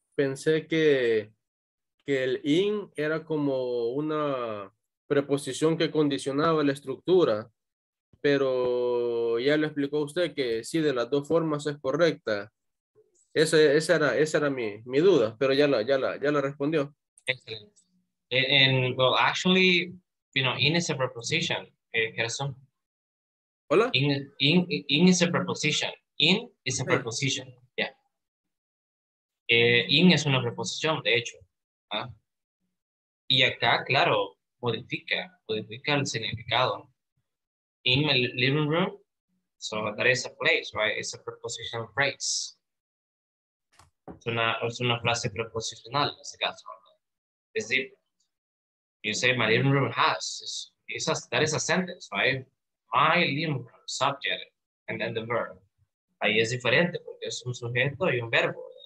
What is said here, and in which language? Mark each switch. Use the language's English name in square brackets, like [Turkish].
[Spanish] Pensé que el in era como una preposición que condicionaba la estructura, pero ya le explicó usted que sí, de las dos formas es correcta. Esa era mi duda, pero ya la respondió. Excelente. [English] And, well, actually, you know, in is a preposition, Gerson. [Spanish] Hola? [English] In is a preposition. In is a preposition. Yeah. [Spanish] In es una preposición, de hecho. Y acá, claro, modifica el significado. [English] In my living room, So that is a place, right? It's a prepositional phrase. [Spanish] Es una frase preposicional, en ese caso. Es [English] different. You say, my living room has. That is a sentence, right? My living room, subject, and then the verb. [Spanish] Ahí es diferente, porque es un sujeto y un verbo.